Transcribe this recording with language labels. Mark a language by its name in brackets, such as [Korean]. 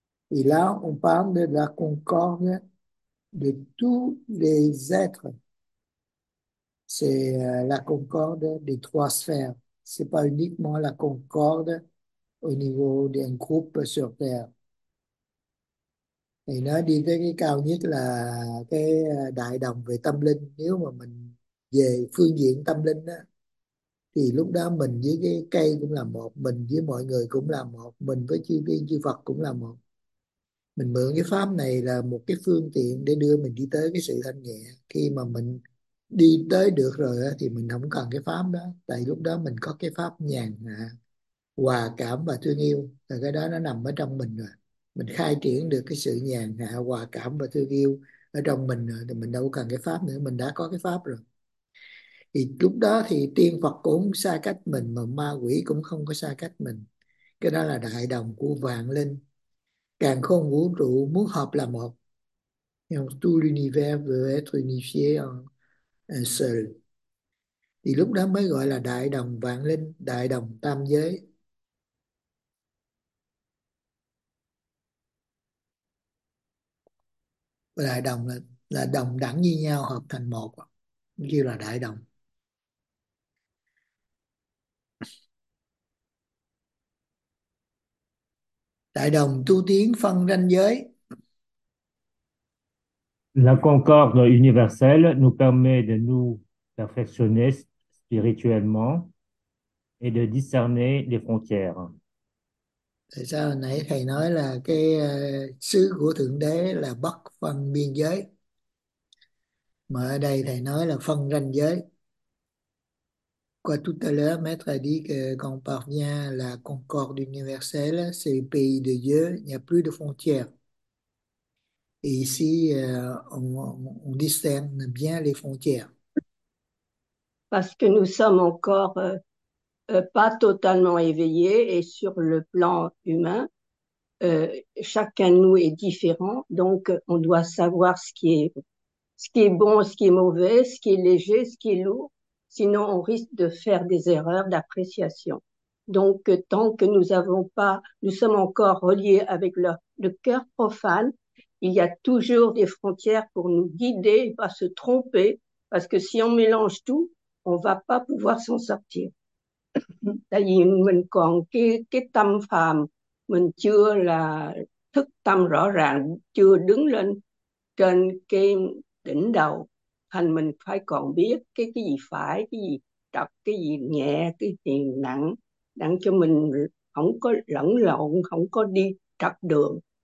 [French] Et là, on parle de la concorde de tous les êtres. C'est la concorde des trois sphères. Ce n'est pas uniquement la concorde au niveau d'un groupe sur Terre. [Vietnamese] Et nó đi tới cái cao nhất là cái đại đồng về tâm linh. Nếu mà mình về phương diện tâm linh á, thì lúc đó mình với cái cây cũng là một, mình với mọi người cũng là một, mình với chư thiên chư Phật cũng là một. Mình mượn cái pháp này là một cái phương tiện để đưa mình đi tới cái sự thanh nhẹ. Khi mà mình đi tới được rồi thì mình không cần cái pháp đó, tại lúc đó mình có cái pháp nhàn hạ, hòa cảm và thương yêu, và cái đó nó nằm ở trong mình rồi. Mình khai triển được cái sự nhàn hạ, hòa cảm và thương yêu ở trong mình rồi, thì mình đâu cần cái pháp nữa, mình đã có cái pháp rồi. Thì lúc đó thì tiên Phật cũng xa cách mình, mà ma quỷ cũng không có xa cách mình. Cái đó là đại đồng của vạn linh. Càn khôn vũ trụ muốn hợp là một. [French] Tout l'univers veut être unifié en un seul. [Vietnamese] Thì lúc đó mới gọi là đại đồng vạn linh, đại đồng tam giới. Đại đồng là đồng đẳng như nhau, hợp thành một, như là đại đồng. Đại đồng tu tiến phân ranh giới. [French] La concorde universelle nous permet de nous perfectionner spirituellement et de discerner les frontières. [Vietnamese] Tại sao nãy thầy nói là cái xứ của Thượng Đế là bất phân biên giới, mà ở đây thầy nói là phân ranh giới. [French] Quoi tout à l'heure, maître a dit que quand on parvient à la concorde universelle, c'est le pays de Dieu, il n'y a plus de frontières. Et ici, on discerne bien les frontières. Parce que nous sommes encore pas totalement éveillés et sur le plan humain, chacun de nous est différent. Donc, on doit savoir ce qui est bon, ce qui est mauvais, ce qui est léger, ce qui est lourd. Sinon, on risque de faire des erreurs d'appréciation. Donc, tant que nous avons pas, nous sommes encore reliés avec le cœur profane, il y a toujours des frontières pour nous guider et pas se tromper. Parce que si on mélange tout, on va pas pouvoir s'en sortir. [Vietnamese] Tại vì mình còn cái tâm phàm, mình chưa là thức tâm rõ ràng, chưa đứng lên trên cái đỉnh đầu, thành mình phải còn biết cái gì phải, cái gì trật, cái gì nhẹ, cái gì nặng, đặng cho mình không có lẫn lộn, không có đi trật đường.